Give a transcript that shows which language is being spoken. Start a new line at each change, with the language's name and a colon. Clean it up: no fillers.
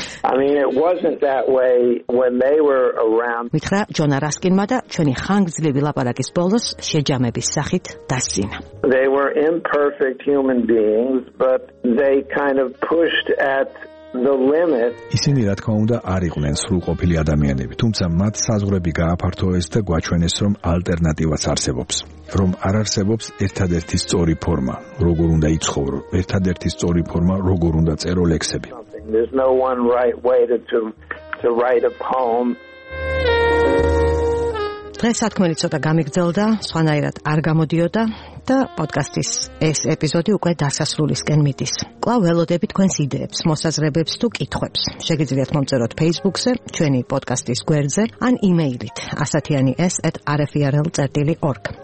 English: I mean it wasn't that way when they were around.
Georgian: მითხრა ჯონა რასკინმა და ჩვენი ხანგრძლივი ლაპარაკის ბოლოს შეჯამების სახით დასწინა.
English: They were imperfect human beings, but they kind of pushed at the limit.
Georgian: ისინი რა თქმა უნდა არ იყვნენ სრულყოფილი ადამიანები, თუმცა მათ საზღვრები გააფართოვეს და გვაჩვენეს, რომ ალტერნატივაც არსებობს. რომ არ არსებობს ერთადერთი სწორი ფორმა, როგორ უნდა იცხოვრო, ერთადერთი სწორი ფორმა, როგორ უნდა წერო ლექსები.
English: There's no one right way to write a poem.
Georgian: დღეს სათქმელი ცოტა გამიგძელდა, სხვანაირად არ გამოდიოდა და პოდკასტის ეს ეპიზოდი უკვე დასასრულისკენ მიდის. კვლავ ველოდები თქვენს იდეებს, მოსაზრებებს თუ კითხვებს. შეგიძლიათ მომწეროთ Facebook-ზე, ჩვენი პოდკასტის გვერდზე ან იმეილით asatiani@rfrl.org.